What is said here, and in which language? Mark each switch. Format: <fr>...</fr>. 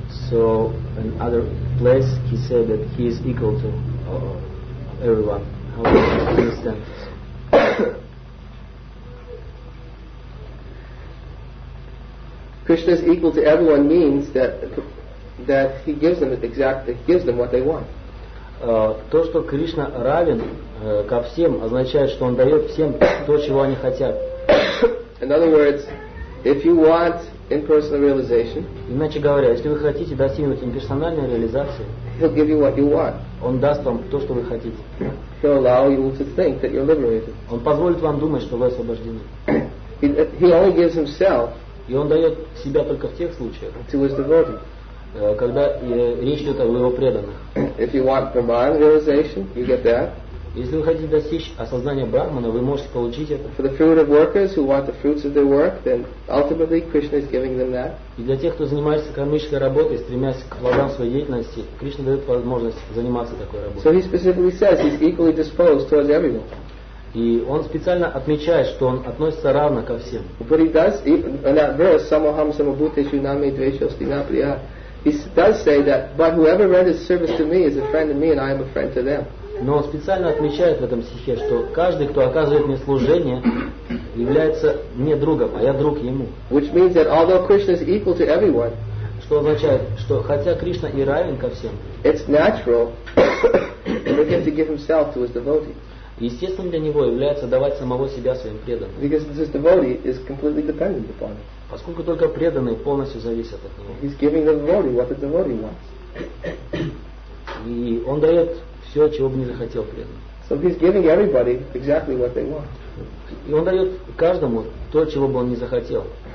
<en>So, in other place, he said that he is equal to everyone. How do you understand this? Krishna is equal to everyone means that he gives them exactly, he gives them what they want.</en> <ru>То, что Кришна равен ко всем, означает, что он дает всем то, чего они хотят.</ru> <en>In other words, if you want impersonal realization,</en> <ru>иначе говоря, если вы хотите достигнуть имперсональной реализации,</ru> <en>he'll give you what you want.</en> <ru>Он даст вам то, что вы хотите.</ru> <en>He'll allow you to think that you're liberated.</en> <ru>Он позволит вам думать, что вы освобождены.</ru> <en>He only gives himself.</en> <ru>И он дает себя только в тех случаях,</ru> <en>to his devotee.</en> <ru>Когда речь идет о его преданных.</ru> <en>If you want Brahman realization, you get that.</en> <ru>Если вы хотите достичь осознания Брахмана, вы можете получить это.</ru> <en>For the fruitive workers who want the fruits of their work, then ultimately Krishna is giving them that.</en> <ru>И для тех, кто занимается кармической работой, стремясь к плодам своей деятельности, Кришна дает возможность заниматься такой работой.</ru> <en>So he specifically says he's equally disposed towards everyone.</en> <ru>И он специально отмечает, что он относится равно ко всем.</ru> <en>But he does, in that verse,</en> <sa>samoham samabhutesu name dveshasti napriya,</sa> <en>he does say that, but whoever renders service to me is a friend to me and I am a friend to them.</en> <ru>Но он специально отмечает в этом стихе, что каждый, кто оказывает мне служение, является мне другом, а я друг ему.</ru> <en>Which means that although Krishna is equal to everyone,</en> <ru>что означает, что хотя Кришна и равен ко всем,</ru> <en>it's natural for him to give himself to his devotee.</en> <ru>Естественным для него является давать самого себя своим преданным.</ru> <en>Because this devotee is completely dependent upon him.</en> <ru>Поскольку только преданные полностью зависят от него.</ru> <en>He's giving the devotee what the devotee wants.</en> <ru>И он дает все, чего бы не захотел преданный.</ru> <en>So he's giving everybody exactly what they want.</en> <ru>И он дает каждому то, чего бы он не захотел.</ru>